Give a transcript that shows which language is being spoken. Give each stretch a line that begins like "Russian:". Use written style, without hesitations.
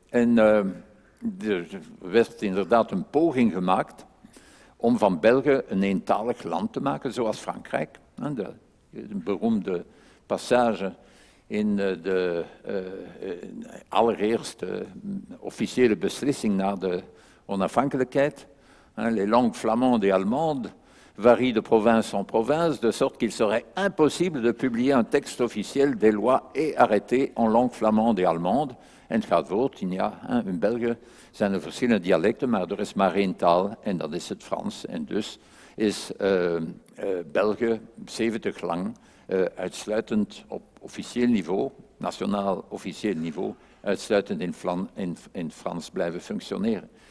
Dutch: En er werd inderdaad een poging gemaakt om van België een eentalig land te maken, zoals Frankrijk. De beroemde passage in de allereerste officiële beslissing na de onafhankelijkheid.
French: Les langues flamandes et allemandes varient de province en province, de sorte qu'il serait impossible de publier un texte officiel des lois et arrêtés en langue flamande et allemande.
Dutch: En het gaat voort,
French: il y a,
Dutch: in België zijn er verschillende dialecten, maar er is maar één taal en dat is het Frans. En dus is België 70 lang uitsluitend op officieel niveau, nationaal officieel niveau, uitsluitend in Frans blijven functioneren.